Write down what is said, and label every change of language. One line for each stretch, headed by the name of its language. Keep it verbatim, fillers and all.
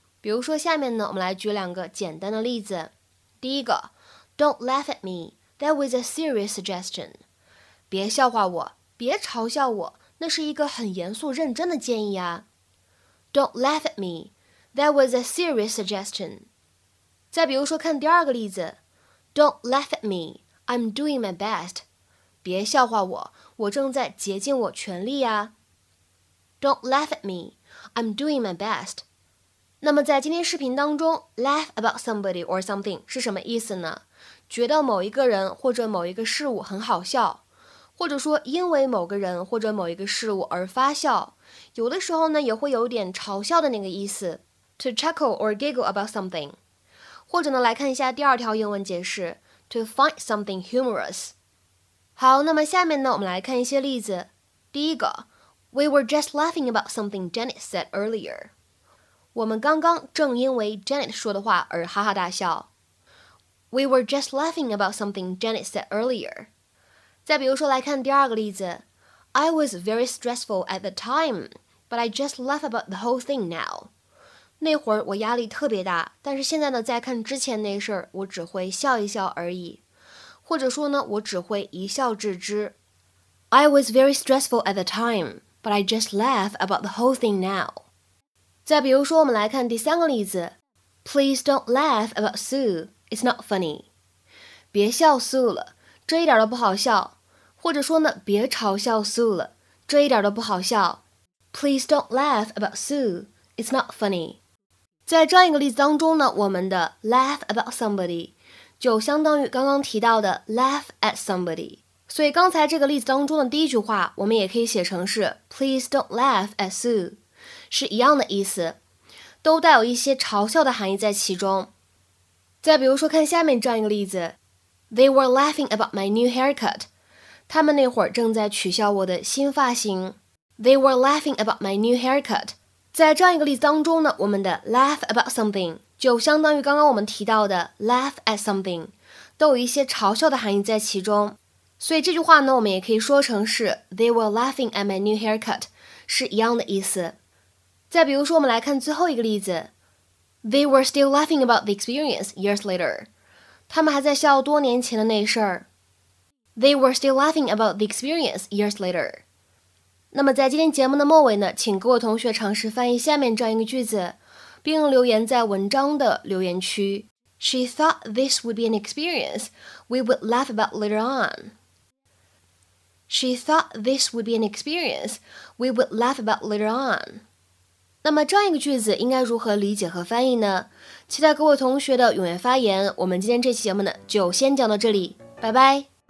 Chinese: 比如说下面呢，我们来举两个简单的例子。第一个
English: Don't laugh at me, that was a serious suggestion.
Chinese: 别笑话我，别嘲笑我，那是一个很严肃认真的建议啊。
English: Don't laugh at me, that was a serious suggestion. 再比如说看第二个例子 Don't laugh at me, I'm doing my best.
Chinese: 别笑话我，我正在竭尽我全力啊。
English: Don't laugh at me, I'm doing my best.
Chinese: 那么在今天视频当中
English: laugh about somebody or something
Chinese: 是什么意思呢？觉得某一个人或者某一个事物很好笑，或者说因为某个人或者某一个事物而发笑，有的时候呢也会有点嘲笑的那个意思
English: to chuckle or giggle about something。
Chinese: 或者呢来看一下第二条英文解释
English: to find something humorous。
Chinese: 好，那么下面呢我们来看一些例子。第一个
English: We were just laughing about something Janet said earlier，
Chinese: 我们刚刚正因为 Janet 说的话而哈哈大笑。
English: We were just laughing about something Janet said earlier。
Chinese: 再比如说来看第二个例子
English: I was very stressful at the time, but I just laugh about the whole thing now。
Chinese: 那会儿我压力特别大，但是现在呢再看之前那事儿，我只会笑一笑而已，或者说呢我只会一笑置之。
English: I was very stressful at the time, but I just laugh about the whole thing now。
Chinese: 再比如说我们来看第三个例子
English: Please don't laugh about Sue, it's not funny。
Chinese: 别笑 Sue 了，这一点都不好笑，或者说呢别嘲笑 Sue 了，这一点都不好笑。
English: Please don't laugh about Sue, it's not funny。
Chinese: 在这样一个例子当中呢，我们的
English: laugh about somebody
Chinese: 就相当于刚刚提到的
English: laugh at somebody，
Chinese: 所以刚才这个例子当中的第一句话我们也可以写成是
English: Please don't laugh at Sue，
Chinese: 是一样的意思，都带有一些嘲笑的含义在其中。再比如说，看下面这样一个例子 ：
English: They were laughing about my new haircut。
Chinese: 他们那会儿正在取笑我的新发型。
English: They were laughing about my new haircut。
Chinese: 在这样一个例子当中呢，我们的
English: laugh about something
Chinese: 就相当于刚刚我们提到的
English: laugh at something，
Chinese: 都有一些嘲笑的含义在其中。所以这句话呢，我们也可以说成是
English: They were laughing at my new haircut，
Chinese: 是一样的意思。再比如说，我们来看最后一个例子 ：
English: They were still laughing about the experience years later。
Chinese: 他们还在笑多年前的那事儿。
English: They were still laughing about the experience years later。
Chinese: 那么在今天节目的末尾呢，请各位同学尝试翻译下面这样一个句子，并留言在文章的留言区。
English: She thought this would be an experience we would laugh about later on. She thought this would be an experience we would laugh about later on.
Chinese: 那么这样一个句子应该如何理解和翻译呢？期待各位同学的踊跃发言。我们今天这期节目呢，就先讲到这里，拜拜。